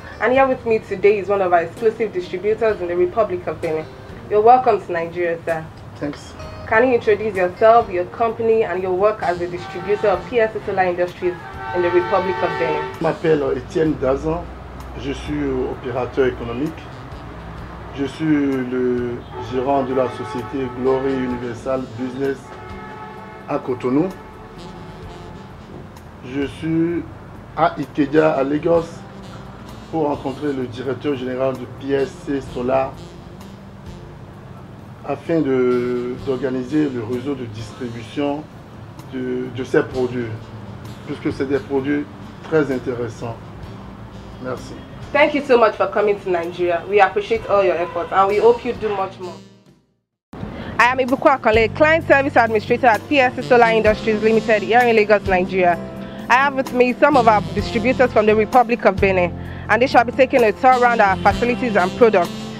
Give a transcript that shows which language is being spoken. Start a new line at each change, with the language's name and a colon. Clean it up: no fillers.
English: And here with me today is one of our exclusive distributors in the Republic of Benin. You're welcome to Nigeria, sir. Thanks. Can you introduce yourself, your company, and your work as a distributor of PSC Solar Industries in the Republic of Benin?
French: Je m'appelle Etienne Dazan. Je suis opérateur économique. Je suis le gérant de la société Glory Universal Business à Cotonou. Je suis à Ikeja, à Lagos, pour rencontrer le directeur général de PSC Solar afin d'organiser le réseau de distribution de ces produits, puisque c'est des produits très intéressants. Merci.
English: Thank you so much for coming to Nigeria. We appreciate all your efforts and we hope you do much more. I am Ibuku Akole, Client Service Administrator at PSC Solar Industries Limited here in Lagos, Nigeria. I have with me some of our distributors from the Republic of Benin, and they shall be taking a tour around our facilities and products.